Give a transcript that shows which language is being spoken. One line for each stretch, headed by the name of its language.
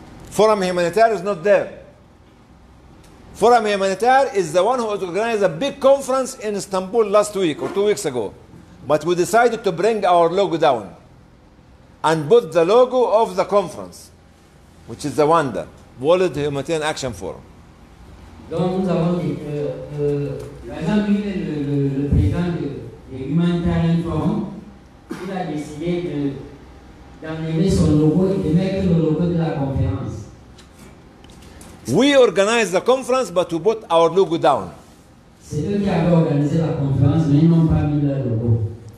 English: Forum Humanitaire is not there. Forum Humanitaire is the one who organized a big conference in Istanbul last week or 2 weeks ago. But we decided to bring our logo down and put the logo of the conference, which is the one that World Humanitarian Action Forum.
French: Donc nous avons dit que, par exemple, le président de l'Humanitarian Forum, il a décidé d'enlever son logo et de mettre le logo de la conférence.
English: We organized the conference, but we put our logo down.
French: C'est eux qui avaient organisé la conférence, mais ils n'ont pas mis leur logo.